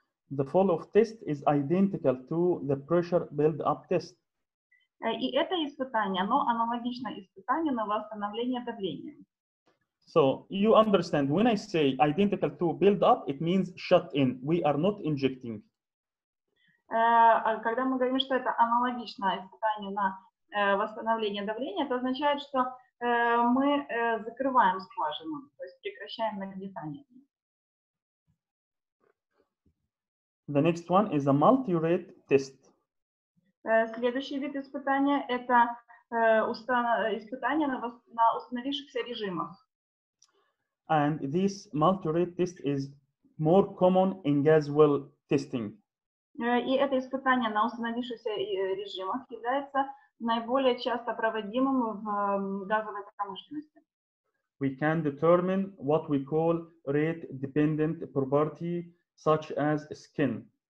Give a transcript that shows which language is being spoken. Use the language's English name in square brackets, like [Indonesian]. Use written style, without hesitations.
[English] The fall-off test is identical to the pressure build-up test. [Russian] И это испытание, оно аналогично испытанию на восстановление давления. [English] So, you understand, when I say identical to build-up, it means shut-in. We are not injecting. [Russian] Когда мы говорим, что это аналогично испытанию на восстановление давления, это означает, что мы закрываем скважину, то есть прекращаем нагнетание. [English] The next one is a multi-rate test. [Russian] Следующий вид испытания – это испытание на установившихся режимах. [English] And this multi-rate test is more common in gas well testing. [Russian] И это испытание на установившихся режимах является наиболее часто проводимым в газовой промышленности. [English] We can determine what we call rate-dependent property, such as skin.